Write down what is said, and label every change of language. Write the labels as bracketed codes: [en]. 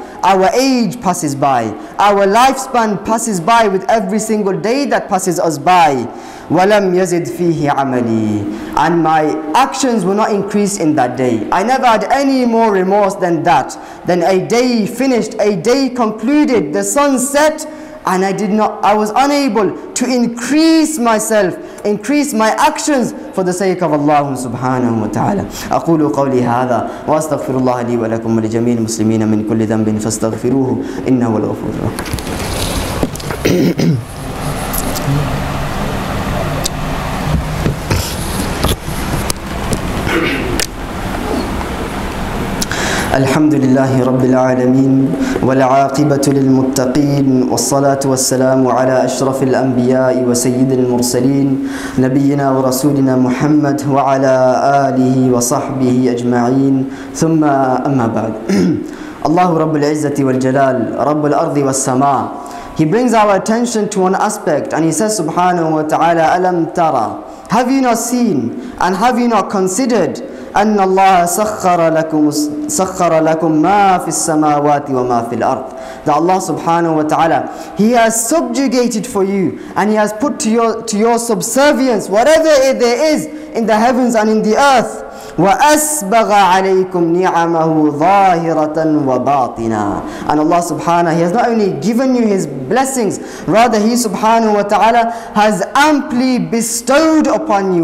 [en] our age passes by, our lifespan passes by with every single day that passes us by, [ar] وَلَمْ يَزِدْ فِيهِ عَمَلِي, [en] and my actions were not increased in that day. I never had any more remorse than that, than a day finished, a day concluded, the sun set, and I was unable to increase myself, increase my actions for the sake of Allah subhanahu wa ta'ala. [ar] أقول قولي هذا وأستغفر الله لي ولكم ولجميع المسلمين من كل ذنب فاستغفروه إنه الغفور الرحيم. الحمد لله رب العالمين والعاقبة للمتقين والصلاة والسلام على أشرف الأنبياء وسيد المرسلين نبينا ورسولنا محمد وعلى آله وصحبه أجمعين ثم أما بعد الله رب العزة والجلال رب الأرض والسماء. [en] He brings our attention to one aspect and he says [ar] سبحانه وتعالى ألم ترى. [en] Have you not seen and have you not considered [ar] أن الله سخر لكم ما في السماوات وما في الأرض. [en] That Allah subhanahu wa ta'ala, He has subjugated for you and He has put to your subservience whatever there is in the heavens and in the earth. [ar] وَأَسْبَغَ عَلَيْكُمْ نِعَمَهُ ظَاهِرَةً وَبَاطِنًا. [en] And Allah subhanahu, He has not only given you His blessings, rather He subhanahu wa ta'ala has amply bestowed upon you.